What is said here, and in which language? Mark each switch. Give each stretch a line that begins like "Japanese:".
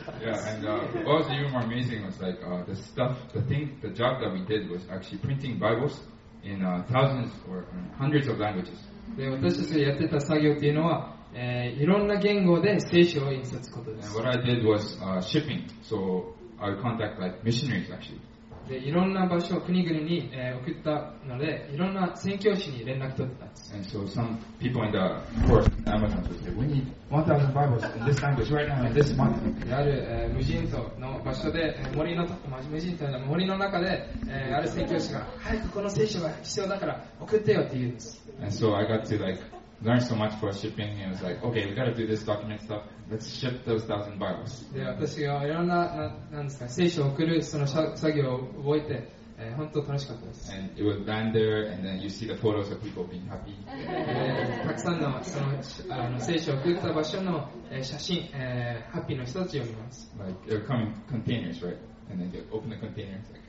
English: Yeah, and what was even more amazing was like the stuff, the thing, the job that we did was actually printing Bibles in thousands or hundreds of languages.
Japanese: で私たちがやってた作業っていうのは、いろんな言語で聖書を印刷することです。
English: What I did was shipping, so I would contact like missionaries actually.
Japanese: でいろんな場所、国々に、送ったので、いろんな宣教師に連絡取ってたんです。
English: And so some people in the forest, Amazon, would say, we need 1,000 Bibles in this language right now, in this month.
Japanese: である、無人島の場所で、森の中で、ある宣教師が、早くこの聖書が必要だから送ってよって言うんです。
English: And so I got to like learn so much for shipping. And I was like, okay, we gotta do this document stuff. Let's ship those 1,000 Bibles.
Japanese: で、私がいろんな、なんですか、聖書を送るその作業を覚えて、本当楽しかったです。
English: And it would land there, and then you see the photos of people being happy.
Japanese: たくさんのその、聖書を送った場所の、写真、ハッピーの人たちを見ます。
English: Like they're coming containers, right? And then they open the containers.